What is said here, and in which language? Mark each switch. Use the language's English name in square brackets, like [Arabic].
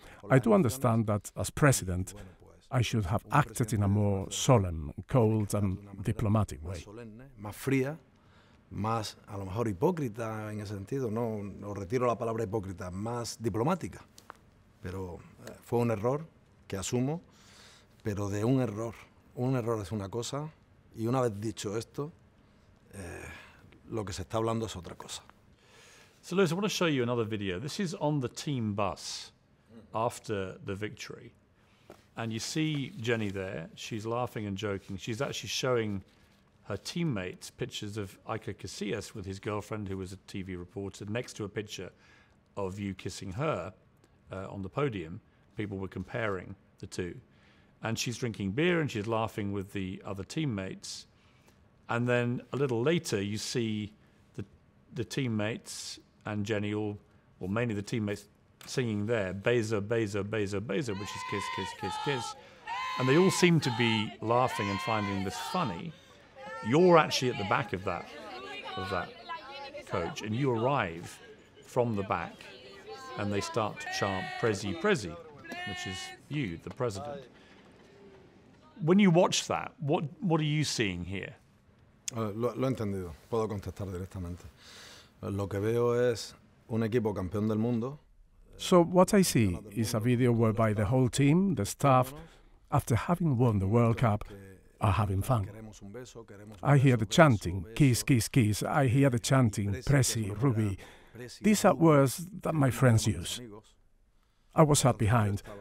[English] I do understand that as president, I should have acted in a more solemn, cold, and diplomatic way. [Spanish] Más fría, más a lo mejor hipócrita en ese sentido. No, no retiro la palabra hipócrita, más diplomática. Pero fue un error que asumo. Pero de un error es una cosa, y una vez dicho esto, lo que se está hablando es otra cosa. [English] So, Luis, I want to show you another video. This is on the team bus after the victory. And you see Jenni there. She's laughing and joking. She's actually showing her teammates pictures of Iker Casillas with his girlfriend, who was a TV reporter, next to a picture of you kissing her on the podium. people were comparing the two. And she's drinking beer and she's laughing with the other teammates. And then a little later, you see the teammates and Jenni, or mainly the teammates, singing there, Beza, Beza, Beza, Beza, which is kiss, kiss, kiss, kiss. And they all seem to be laughing and finding this funny. You're actually at the back of that coach, and you arrive from the back, and they start to chant Prezi, Prezi, which is you, the president. When you watch that, what are you seeing here? [Spanish] Lo he entendido. Puedo contestar directamente. Lo que veo es un equipo campeón del mundo. [English] So what I see is a video whereby the whole team, the staff, after having won the World Cup, are having fun. I hear the chanting, kiss, kiss, kiss. I hear the chanting, Prezi, Ruby. These are words that my friends use. I was sat behind.